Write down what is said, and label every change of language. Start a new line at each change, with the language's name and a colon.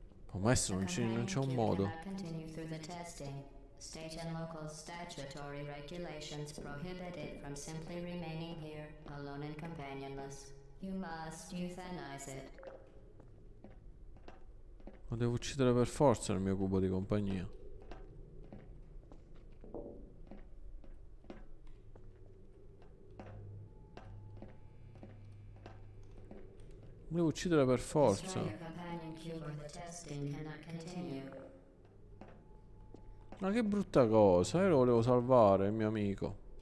Italian: Oh, maestro, non c'è un modo.
English: State and local statutory regulations prohibit it from simply remaining here, alone and companionless. You must euthanize it.
Italian: Ma devo uccidere per forza il mio cubo di compagnia. Devo uccidere per forza.
English: Destroy your companion cube or the testing cannot continue.
Italian: Ma che brutta cosa, io lo volevo salvare, il mio amico.